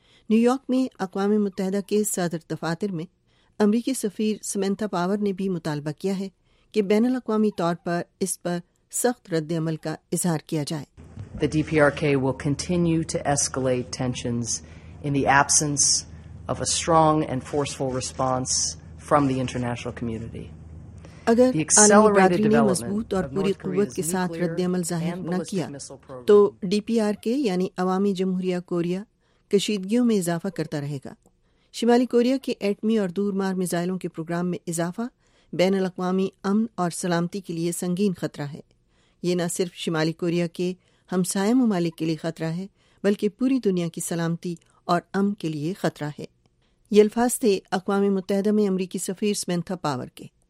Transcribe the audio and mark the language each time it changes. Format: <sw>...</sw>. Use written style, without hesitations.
<ur>New York میں اقوام متحدہ کے صدر دفاتر میں امریکی سفیر سمنتھا پاور نے بھی مطالبہ کیا ہے کہ بین الاقوامی طور پر اس پر سخت رد عمل کا اظہار کیا جائے۔</ur> <en>The DPRK will continue to escalate tensions in the absence of a strong and forceful response from the international community.</en> <ur>اگر عالمی برادری نے مضبوط اور پوری قوت کے ساتھ رد عمل ظاہر نہ کیا تو ڈی پی آر کے یعنی عوامی جمہوریہ کوریا کشیدگیوں میں اضافہ کرتا رہے گا۔ شمالی کوریا کے ایٹمی اور دور مار میزائلوں کے پروگرام میں اضافہ بین الاقوامی امن اور سلامتی کے لیے سنگین خطرہ ہے۔ یہ نہ صرف شمالی کوریا کے ہمسایہ ممالک کے لیے خطرہ ہے بلکہ پوری دنیا کی سلامتی اور امن کے لیے خطرہ ہے۔ یہ الفاظ تھے اقوام متحدہ میں امریکی سفیر سمنتھا پاور کے۔</ur>